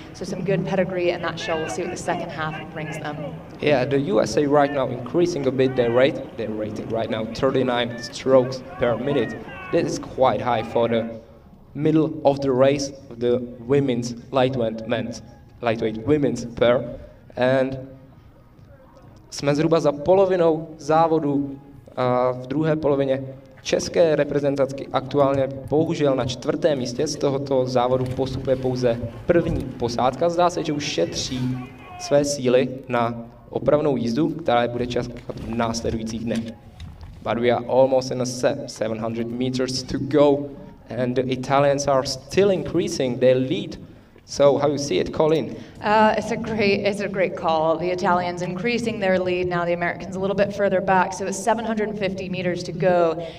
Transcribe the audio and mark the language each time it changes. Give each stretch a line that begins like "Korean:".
English: So some good pedigree in that shell. We'll see what the second half brings them. Yeah, the USA right now increasing a bit their rate. They're rating right now 39 strokes per minute. This is quite high for the middle of the race, the women's lightweight women's pair.
Czech: And jsme zhruba za polovinou závodu. A v druhé polovině české reprezentantky aktuálně bohužel na čtvrtém místě, z tohoto závodu postupuje pouze první posádka. Zdá se, že už šetří své síly na opravnou jízdu, která je bude čekat v následujících dnech.
English: But we are almost in a 700 meters to go and the Italians are still increasing their lead. So how you see it, Colleen? It's a great call. The Italians increasing their lead. Now the Americans a little bit further back. So it's 750 meters to go.